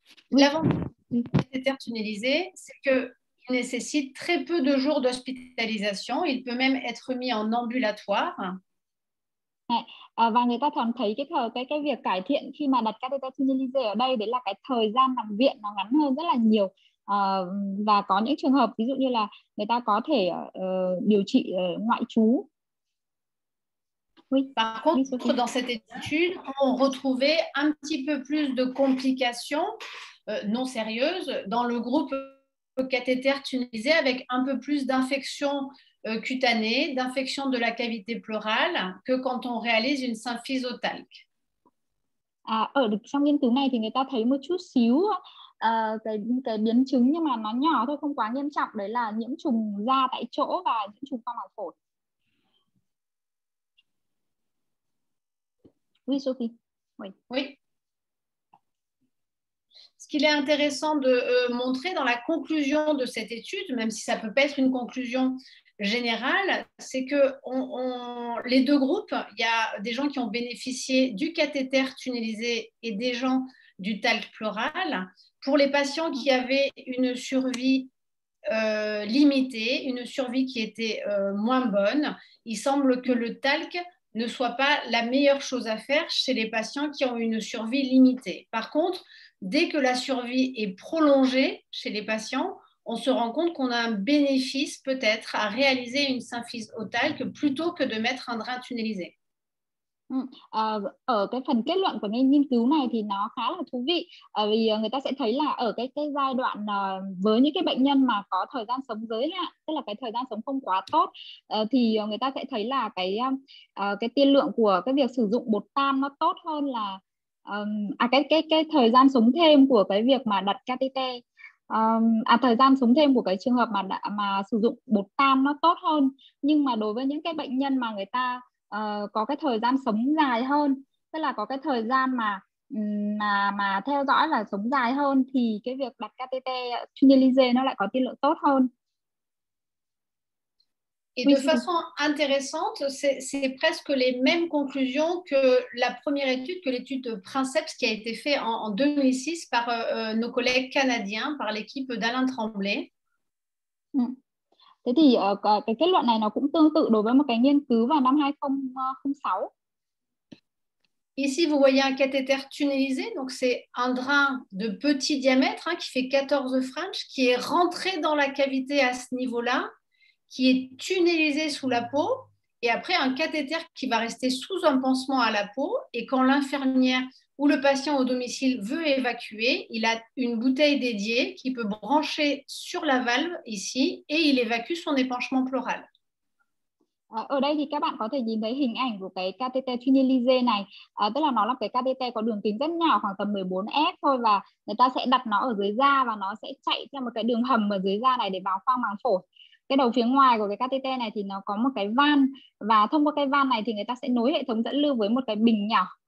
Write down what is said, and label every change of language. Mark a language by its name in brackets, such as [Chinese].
[French] L'avantage du cathéter tunnelisé, c'est qu'il nécessite très peu de jours d'hospitalisation. Il peut même être mis en ambulatoire. [Vietnamese] Và người ta thường thấy cái thời cái việc cải thiện khi mà đặt catheter tunnelizer ở đây đấy là cái thời gian nằm viện nó ngắn hơn rất là nhiều. Và có những trường hợp ví dụ như là người ta có thể điều trị ngoại trú. [French] Oui. Par contre, dans cette étude, on retrouvait un petit peu plus de complications non sérieuses dans le groupe cathéter tunnelisé avec un peu plus d'infections cutanées, d'infections de la cavité pleurale que quand on réalise une symphyse otalque. [Vietnamese] Ở trong nghiên cứu này thì người ta thấy một chút xíu cái biến chứng nhưng mà nó nhỏ thôi, không quá nghiêm trọng, đấy là nhiễm trùng da tại chỗ và nhiễm trùng qua màng phổi. [French] Oui, Sophie. Oui. Oui. Ce qu'il est intéressant de montrer dans la conclusion de cette étude, même si ça peut pas être une conclusion générale, c'est que les deux groupes, il y a des gens qui ont bénéficié du cathéter tunnelisé et des gens du talc pleural. Pour les patients qui avaient une survie limitée, une survie qui était moins bonne, il semble que le talc ne soit pas la meilleure chose à faire chez les patients qui ont une survie limitée. Par contre, dès que la survie est prolongée chez les patients, on se rend compte qu'on a un bénéfice peut-être à réaliser une symphyse otalque plutôt que de mettre un drain tunnelisé. [Vietnamese] Ở cái phần kết luận của nghiên cứu này thì nó khá là thú vị vì người ta sẽ thấy là ở cái giai đoạn với những cái bệnh nhân mà có thời gian sống giới hạn, tức là cái thời gian sống không quá tốt, thì người ta sẽ thấy là cái tiên lượng của cái việc sử dụng bột tan nó tốt hơn là cái thời gian sống thêm của cái việc mà đặt catheter, thời gian sống thêm của cái trường hợp mà sử dụng bột tan nó tốt hơn. Nhưng mà đối với những cái bệnh nhân mà người ta có cái thời gian sống dài hơn, tức là có cái thời gian mà theo dõi là sống dài hơn, thì cái việc đặt catheter tunnelizer nó lại có tiên lượng tốt hơn. [French] Et de façon intéressante, c'est presque les mêmes conclusions que la première étude, que l'étude de Princeps qui a été faite en 2006 par nos collègues canadiens, par l'équipe d'Alain Tremblay. [Vietnamese] Thế thì cái kết luận này nó cũng tương tự đối với một cái nghiên cứu vào năm 2006. [French] Ici, vous voyez un cathéter tunnelisé, donc c'est un drain de petit diamètre hein, qui fait 14 French, qui est rentré dans la cavité à ce niveau-là, qui est tunnelisé sous la peau, et après un cathéter qui va rester sous un pansement à la peau, et quand l'infirmière ou le patient au domicile veut évacuer, il a une bouteille dédiée qui peut brancher sur la valve ici, et il évacue son épanchement pleural. [Vietnamese] Ở đây thì các bạn có thể nhìn thấy hình ảnh của cái catheter tunnelizer này, tức là nó là cái catheter có đường kính rất nhỏ, khoảng tầm 14S thôi, và người ta sẽ đặt nó ở dưới da và nó sẽ chạy theo một cái đường hầm ở dưới da này để vào khoang màng phổi. Cái đầu phía ngoài của cái catheter này thì nó có một cái van, và thông qua cái van này thì người ta sẽ nối hệ thống dẫn lưu với một cái bình nhỏ.